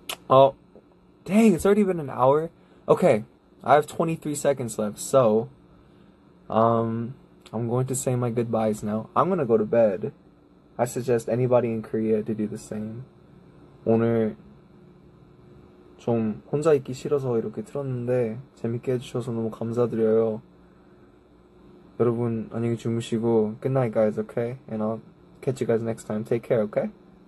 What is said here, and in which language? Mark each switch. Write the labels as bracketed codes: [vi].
[en] Oh. Dang, it's already been an hour. Okay, I have 23 seconds left, so I'm going to say my goodbyes now. I'm gonna go to bed. I suggest anybody in Korea to do the same. [ko] 오늘 좀 혼자 있기 싫어서 이렇게 틀었는데 재밌게 해주셔서 너무 감사드려요. 여러분 안녕히 주무시고 [en] good night guys, okay? And I'll catch you guys next time. Take care, okay?